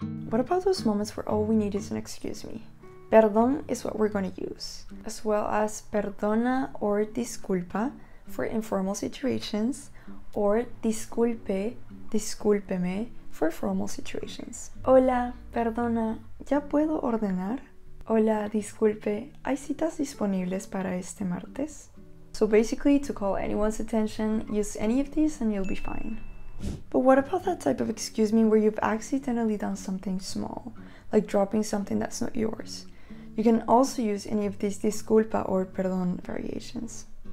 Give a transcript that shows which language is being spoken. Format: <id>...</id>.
<en>What about those moments where all we need is an excuse me? Perdón is what we're going to use, as well as perdona or disculpa for informal situations, or disculpe, discúlpeme, for formal situations.</en> <es>Hola, perdona, ¿ya puedo ordenar? Hola, disculpe, ¿hay citas disponibles para este martes?</es> <en>So basically, to call anyone's attention, use any of these and you'll be fine. But what about that type of excuse me where you've accidentally done something small, like dropping something that's not yours? You can also use any of these disculpa or perdón variations.</en>